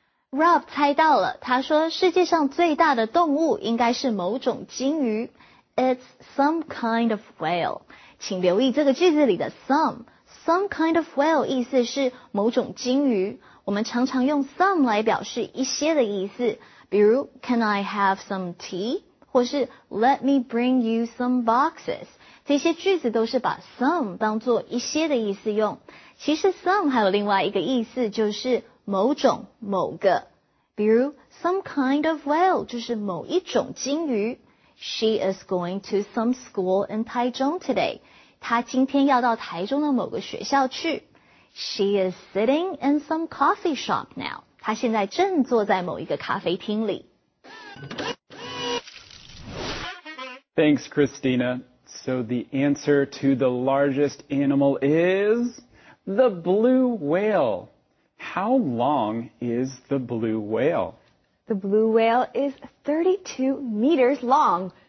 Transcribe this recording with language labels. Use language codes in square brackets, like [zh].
[zh] Rob 猜到了，他说世界上最大的动物应该是某种鲸鱼。 [en] It's some kind of whale. [zh] 请留意这个句子里的 some。 [en] Some kind of whale [zh] 意思是某种鲸鱼。我们常常用 some 来表示一些的意思，比如 [en] Can I have some tea? [zh] 或是 [en] Let me bring you some boxes. [zh] 这些句子都是把 some 当作一些的意思用。其实 some 还有另外一个意思，就是某种某个，比如 [en] some kind of whale [zh] 就是某一种鲸鱼。 [en] She is going to some school in Taichung today. [zh] 她今天要到台中的某个学校去。 [en] She is sitting in some coffee shop now. [zh] 她现在正坐在某一个咖啡厅里。 [en] Thanks, Christina. So the answer to the largest animal is the blue whale. How long is the blue whale? The blue whale is 32 meters long.